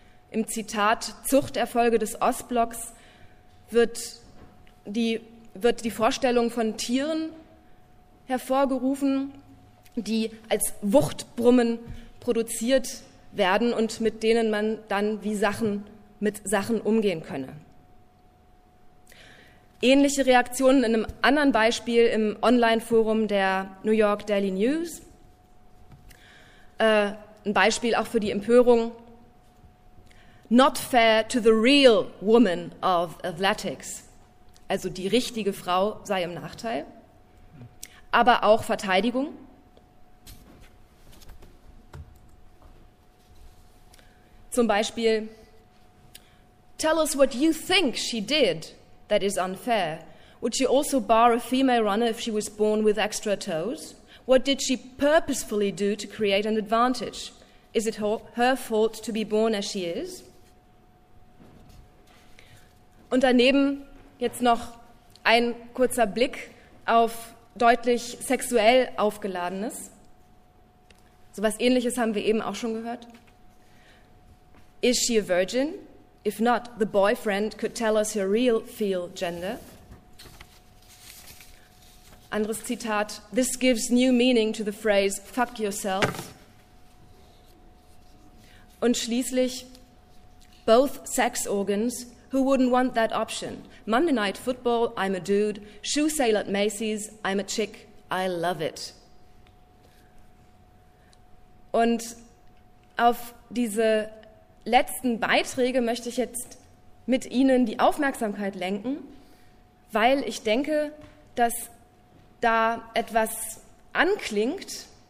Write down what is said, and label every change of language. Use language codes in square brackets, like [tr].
[de] Im Zitat Zuchterfolge des Ostblocks wird die Vorstellung von Tieren hervorgerufen, die als Wuchtbrummen produziert werden und mit denen man dann mit Sachen umgehen könne. Ähnliche Reaktionen in einem anderen Beispiel im Online-Forum der New York Daily News. Ein Beispiel auch für die Empörung. [en] Not fair to the real woman of athletics. [de] Also die richtige Frau sei im Nachteil. Aber auch Verteidigung. Zum Beispiel, [en] tell us what you think she did that is unfair. Would she also bar a female runner if she was born with extra toes? What did she purposefully do to create an advantage? Is it her fault to be born as she is? [de] Und daneben jetzt noch ein kurzer Blick auf deutlich sexuell aufgeladenes. So was Ähnliches haben wir eben auch schon gehört. [en] Is she a virgin? If not, the boyfriend could tell us her real feel gender. [de] Anderes Zitat, [en] this gives new meaning to the phrase fuck yourself. [de] Und schließlich, [en] both sex organs, who wouldn't want that option? Monday night football, I'm a dude. Shoe sale at Macy's, I'm a chick, I love it. [de] Und auf diese letzten Beiträge möchte ich jetzt mit Ihnen die Aufmerksamkeit lenken, weil ich denke, dass da etwas anklingt,